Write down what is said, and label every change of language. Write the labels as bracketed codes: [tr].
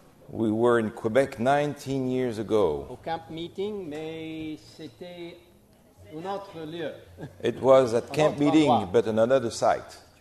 [en] We were in Quebec 19 years ago. [fr] Au camp meeting, mais c'était un autre lieu. [en] It was at camp meeting, but on another site.